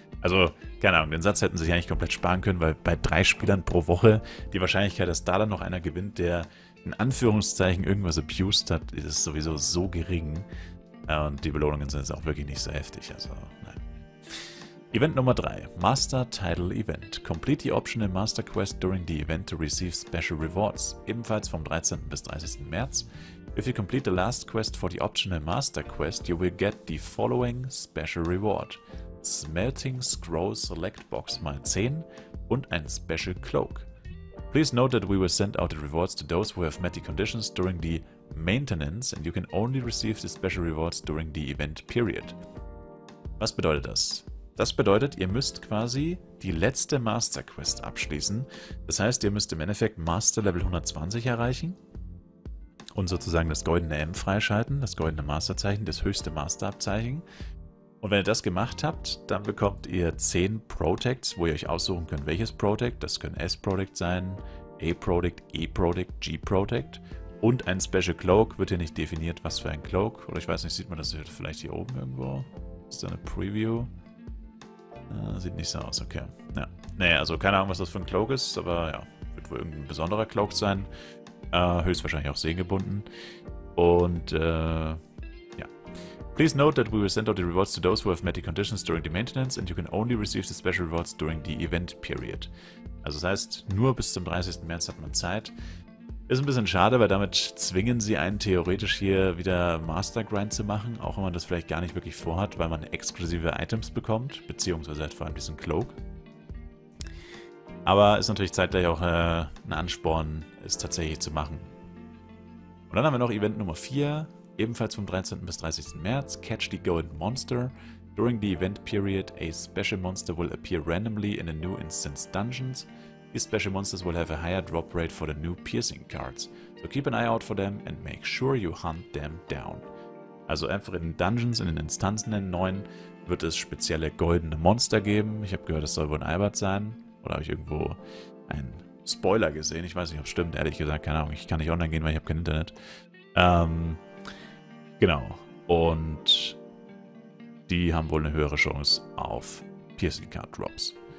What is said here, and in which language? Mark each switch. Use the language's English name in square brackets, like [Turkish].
[German] Also, keine Ahnung, den Satz hätten sie sich eigentlich komplett sparen können, weil bei 3 Spielern pro Woche die Wahrscheinlichkeit, dass da dann noch einer gewinnt, der in Anführungszeichen irgendwas abused hat, ist sowieso so gering. Und die Belohnungen sind jetzt auch wirklich nicht so heftig, also nein. Event Nummer 3, Master Title Event. [English] Complete the optional Master Quest during the event to receive special rewards. [German] Ebenfalls vom 13. bis 30. März. [English] If you complete the last quest for the optional Master Quest, you will get the following special reward. [German] Smelting Scroll Select Box mal 10 und ein Special Cloak. [English] Please note that we will send out the rewards to those who have met the conditions during the Maintenance and you can only receive the special rewards during the event period. [German] Was bedeutet das? Das bedeutet, ihr müsst quasi die letzte Master Quest abschließen. Das heißt, ihr müsst im Endeffekt Master Level 120 erreichen und sozusagen das goldene M freischalten, das goldene Masterzeichen, das höchste Masterabzeichen. Und wenn ihr das gemacht habt, dann bekommt ihr 10 Protects, wo ihr euch aussuchen könnt, welches Protect. Das können S-Protect sein, A-Protect, E-Protect, G-Protect. Und ein Special Cloak, wird hier nicht definiert, was für ein Cloak. Oder ich weiß nicht, sieht man das vielleicht hier oben irgendwo? Ist da eine Preview? Sieht nicht so aus, okay. Ja. Naja, also keine Ahnung, was das für ein Cloak ist, aber ja, wird wohl irgendein besonderer Cloak sein. Höchstwahrscheinlich auch seegebunden. Und ja. [English] Please note that we will send out the rewards to those who have met the conditions during the maintenance and you can only receive the special rewards during the event period. [German] Also das heißt, nur bis zum 30. März hat man Zeit. Ist ein bisschen schade, weil damit zwingen sie einen theoretisch hier wieder Master Grind zu machen, auch wenn man das vielleicht gar nicht wirklich vorhat, weil man exklusive Items bekommt, beziehungsweise halt vor allem diesen Cloak. Aber ist natürlich zeitgleich auch ein Ansporn, es tatsächlich zu machen. Und dann haben wir noch Event Nummer 4, ebenfalls vom 13. bis 30. März, [English] Catch the Golden Monster. During the event period, a special monster will appear randomly in a new instance dungeons. These special monsters will have a higher drop rate for the new piercing cards. So keep an eye out for them and make sure you hunt them down. [German] Also einfach in den Dungeons, in den Instanzen, in den neuen, wird es spezielle goldene Monster geben. Ich habe gehört, das soll wohl ein Albert sein. Oder habe ich irgendwo einen Spoiler gesehen? Ich weiß nicht, ob es stimmt. Ehrlich gesagt, keine Ahnung. Ich kann nicht online gehen, weil ich habe kein Internet. Genau. Und die haben wohl eine höhere Chance auf Piercing Card Drops.